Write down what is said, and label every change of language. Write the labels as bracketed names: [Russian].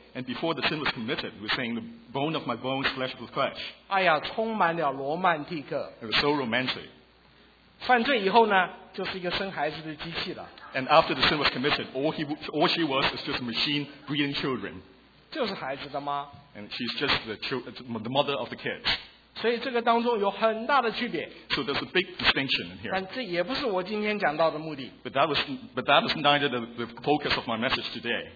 [English] And before the sin was committed, we're saying the bone of my bones, flesh of flesh. [Chinese] 哎呀，充满了罗曼蒂克。 [English] It was so romantic. [Chinese] 犯罪以后呢，就是一个生孩子的机器了。 [English] And after the sin was committed, all she was is just a machine breeding children. [Chinese] 就是孩子的妈。 [English] And she's just the mother of the kids. [Chinese] 所以这个当中有很大的区别。 [English] So there's a big distinction in here. [Chinese] 但这也不是我今天讲到的目的。 [English] But that was neither the focus of my message today.